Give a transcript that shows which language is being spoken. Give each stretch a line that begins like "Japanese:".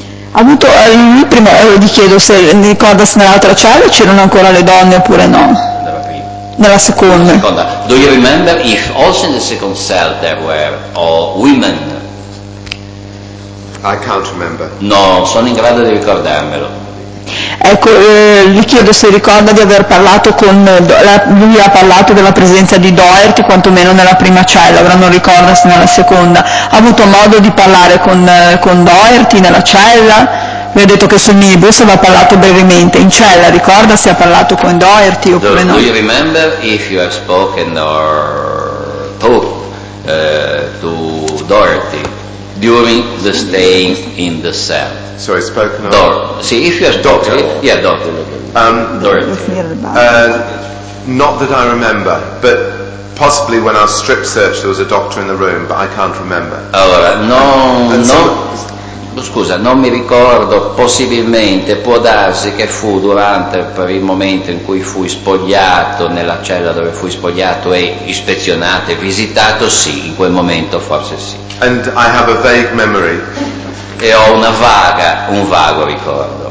Italian: Ha avuto prima gli chiedo se ricorda se nell'altra cella c'erano ancora le donne oppure no. Nella seconda.
English: Do you remember if also in the second cell there were women? I can't remember.
Italian: No, sono in grado di ricordarmelo. Ecco, gli chiedo se ricorda di aver parlato con lui ha parlato della presenza di Doherty quantomeno nella prima cella, ora non ricorda se nella seconda ha avuto modo di parlare con Doherty nella cella. Mi ha detto che su Nibus aveva parlato brevemente in cella, ricorda se ha parlato con Doherty oppure no?
English: Do you remember if you have spoken or talked to Doherty during the staying in the cell? So I spoken of See, if you're doctor, yeah, doctor. Not that I remember, but possibly when I was strip searched, there was a doctor in the room, but I can't remember.
Italian: Allora, non mi ricordo. Possibilmente, può darsi che fu durante per il momento in cui fui spogliato nella cella dove fui spogliato e ispezionato e visitato. Sì, in quel momento forse sì.
English: And I have a vague memory.
Italian: E ho una vaga, un vago ricordo.